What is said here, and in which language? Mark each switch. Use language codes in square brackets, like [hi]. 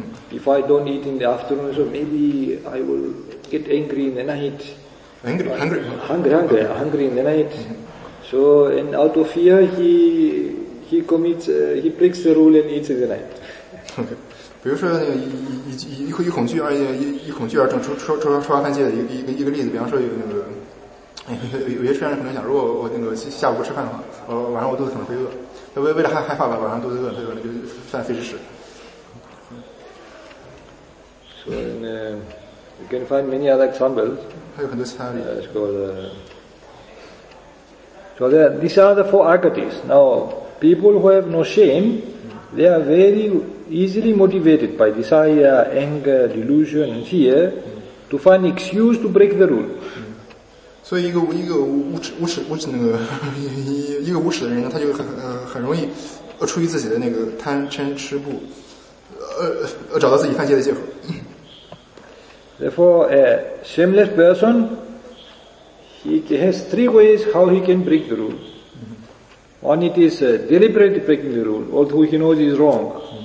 [en] If I don't eat in the afternoon, so maybe I will get angry in the night. Hungry in the night. So, and out of fear, he breaks the rule and eats in the night. [zh] 比如说那个以恐惧而正出发犯戒的一个例子，比方说有那个有些出家人可能想，如果我那个下午不吃饭的话，晚上我肚子可能会饿。为了害怕吧，晚上肚子饿，对吧？就算非之食。 [en] So in, you can find many other examples. [zh] 还有很多其他例子。 [en] So there, these are the four agatis. Now, people who have no shame, they are very easily motivated by desire, anger, delusion, and fear to find excuse to break the rule. [zh] 所以一个无耻的人，他就很容易出于自己的那个贪嗔痴怖，找到自己犯戒的借口。 [en] Therefore, a shameless person. He has three ways how he can break the rule. One, it is deliberately breaking the rule, although he knows he is wrong.